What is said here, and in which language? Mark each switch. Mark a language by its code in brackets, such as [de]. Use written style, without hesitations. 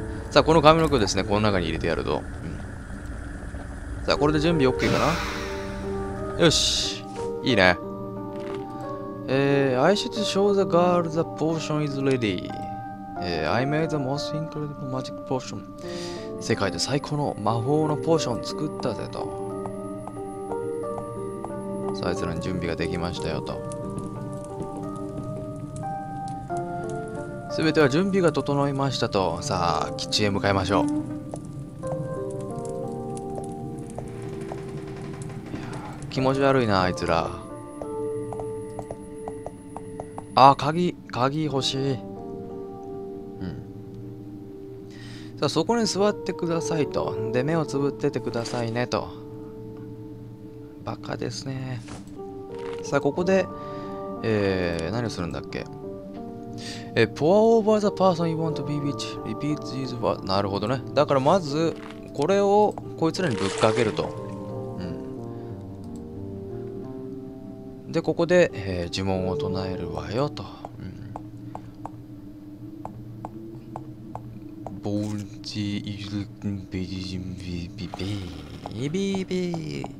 [ja] さあ、この髪の毛をですね、この中に入れてやると、うん、さあ、これで準備 OK かな。よし、いいね。 [en] I should show the girl the potion is ready. I made the most incredible magic potion. [ja] 世界で最高の魔法のポーション作ったぜと。さあ、あいつらに準備ができましたよと。全ては準備が整いましたと。さあ、キッチンへ向かいましょう。気持ち悪いな、あいつら。あ、鍵欲しい。うん。さあ、そこに座ってくださいと。で、目をつぶっててくださいねと。バカですね。さあ、ここで、何をするんだっけ。 [en] Pour over the person you want to be with. Repeat these words. [ja] なるほどね。だからまず、これをこいつらにぶっかけると。うん、で、ここで、呪文を唱えるわよと。ボルジーイルクンビジジンビビビビビ。